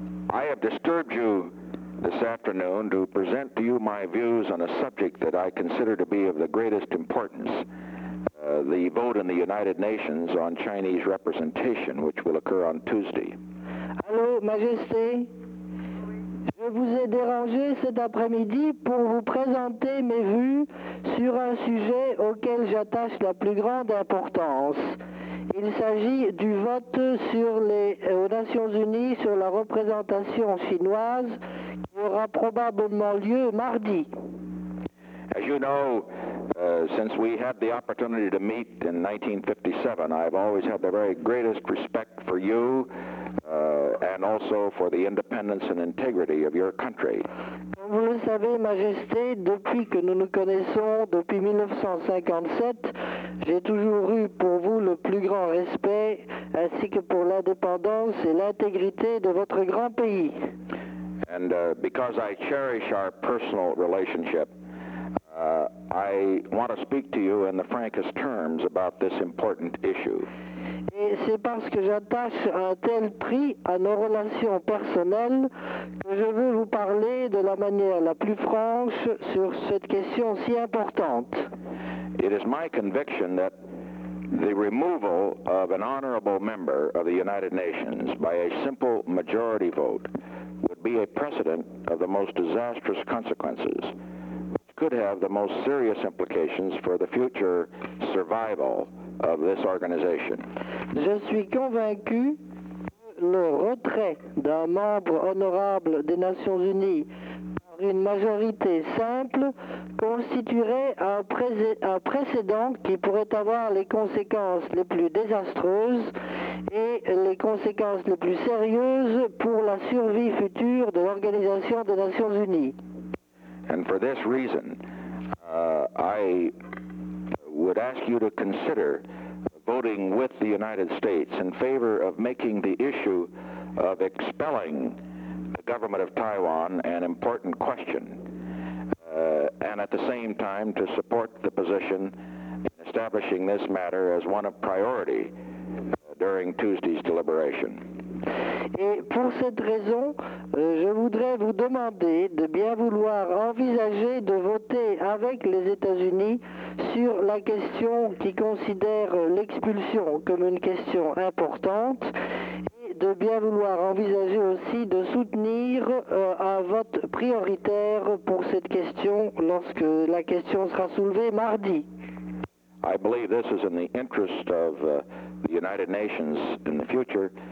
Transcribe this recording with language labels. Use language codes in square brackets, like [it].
[en] I have disturbed you this afternoon to present to you my views on a subject that I consider to be of the greatest importance, the vote in the United Nations on Chinese representation, which will occur on Tuesday. [fr] Allô, Majesté? Je vous ai dérangé cet après-midi pour vous présenter mes vues sur un sujet auquel j'attache la plus grande importance. Il s'agit du vote sur les, aux Nations Unies sur la représentation chinoise qui aura probablement lieu mardi. [en] As you know, since we had the opportunity to meet in 1957, I've always had the very greatest respect for you and also for the independence and integrity of your country. [fr] Comme vous le savez, Majesté, depuis que nous nous connaissons, depuis 1957, j'ai toujours eu pour vous le plus grand respect, ainsi que pour l'indépendance et l'intégrité de votre grand pays. [en] And because I cherish our personal relationship, I want to speak to you in the frankest terms about this important issue. [fr] Et c'est parce que j'attache un tel prix à nos relations personnelles que je veux vous parler de la manière la plus franche sur cette question si importante. [en] It is my conviction that the removal of an honorable member of the United Nations by a simple majority vote would be a precedent of the most disastrous consequences, could have the most serious implications for the future survival of this organization. [fr] Je suis convaincu que le retrait d'un membre honorable des Nations Unies par une majorité simple constituerait un précédent qui pourrait avoir les conséquences les plus désastreuses et les conséquences les plus sérieuses pour la survie future de l'Organisation des Nations Unies. [en] And for this reason, I would ask you to consider voting with the United States in favor of making the issue of expelling the government of Taiwan an important question, and at the same time to support the position in establishing this matter as one of priority during Tuesday's deliberation. [fr] Et pour cette raison, je voudrais vous demander de bien vouloir envisager de voter avec les États-Unis sur la question qui considère l'expulsion comme une question importante et de bien vouloir envisager aussi de soutenir un vote prioritaire pour cette question lorsque la question sera soulevée mardi. [en] I believe this is in the interest of the United Nations in the future.